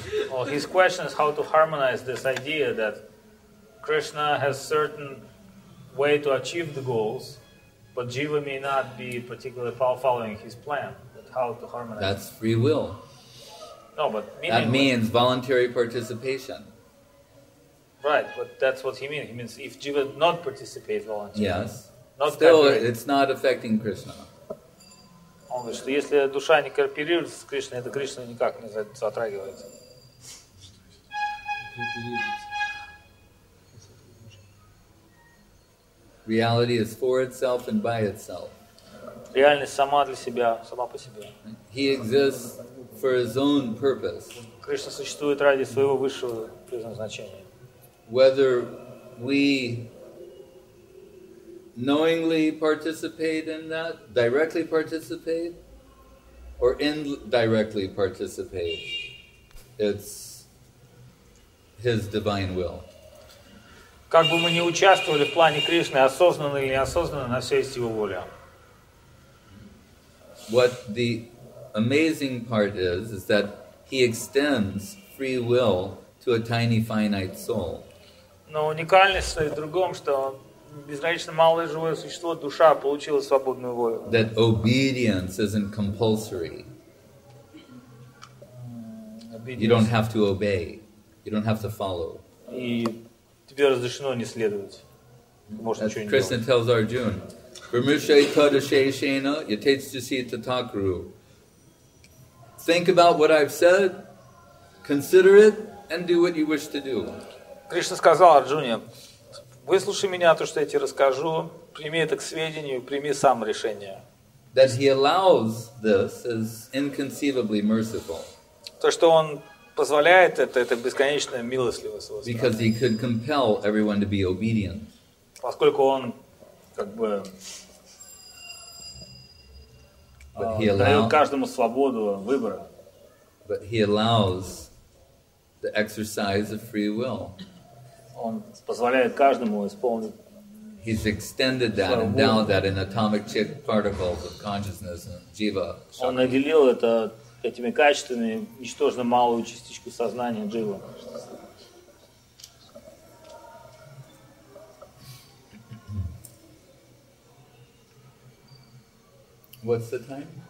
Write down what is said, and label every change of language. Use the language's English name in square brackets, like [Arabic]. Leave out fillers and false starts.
[English] Well, his question is how to harmonize this idea that Krishna has certain way to achieve the goals, but Jiva may not be particularly following his plan. But how to harmonize? That's free will. No, but that means voluntary participation. Right, but that's what he means. He means if Jiva not participate voluntarily. Yes. Not still, it's not affecting Krishna. [Russian] Он говорит, что если душа не кооперирует с Кришной, это Кришна никак не затрагивается. [English] Reality is for itself and by itself. [Russian] Реальность сама для себя, сама по себе. [English] He exists for his own purpose. [Russian] Кришна существует ради своего высшего предназначения. [English] Whether we knowingly participate in that, directly participate, or indirectly participate, it's his divine will. [Russian] Как бы мы ни участвовали в плане Кришны, осознанно или неосознанно, на все есть его воля. [English] What the amazing part is that he extends free will to a tiny finite soul. [Russian] Но уникальность в другом, что безгранично малое живое существо, душа, получила свободную волю. [English] That obedience isn't compulsory. You don't have to obey. You don't have to follow. [Russian] И тебе разрешено не следовать. [English] Krishna tells Arjuna, [Sanskrit] Vrmushai tadashay shena yatejasi tatakuru. [English] Think about what I've said, consider it, and do what you wish to do. [Russian] Krishna сказал Арджуне, выслушай меня, то, что я тебе расскажу, прими это к сведению, прими сам решение. [English] That he allows this is inconceivably merciful. [Russian] То, что он позволяет это бесконечная милостливость. [English] Because he could compel everyone to be obedient. [Russian] Поскольку он как бы дает каждому свободу выбора. [English] But he allows the exercise of free will. [Russian] Он позволяет каждому исполнить. [English] He's extended that and now that in atomic chip particles of consciousness and jiva. [Russian] Он наделил это этими качествами ничтожно малую частичку сознания джива. [English] What's the time?